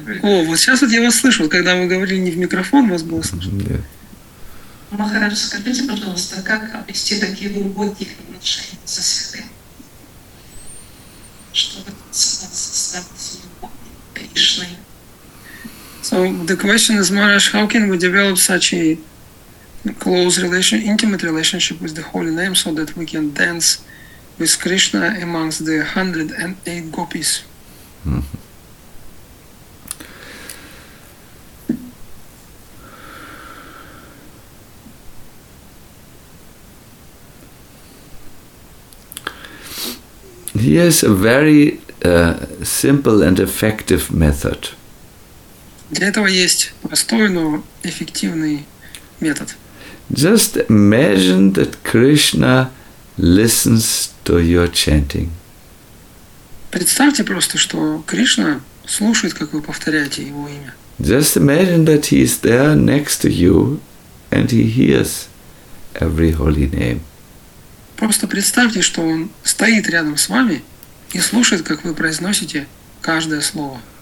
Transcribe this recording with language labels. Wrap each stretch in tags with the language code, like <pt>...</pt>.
<ru>О, вот сейчас вот я вас слышу. Вот когда вы говорили не в микрофон, вас было слышно. Да. Махарадж, скажите, пожалуйста, как обрести такие глубокие отношения со святым? Чтобы создать любовь Кришной.</ru> <en>So the question is, Maharaj, how can we develop such a close relation, intimate relationship with the Holy Name so that we can dance with Krishna amongst the 108 gopis? He has a very simple and effective method.</en> <ru>Для этого есть простой, но эффективный метод.</ru> <en>Just imagine that Krishna listens to your chanting.</en> <ru>Представьте просто, что Кришна слушает, как вы повторяете его имя.</ru> <en>Just imagine that he is there next to you and he hears every holy name.</en> <ru>Просто представьте, что он стоит рядом с вами и слушает, как вы произносите каждое слово.</ru>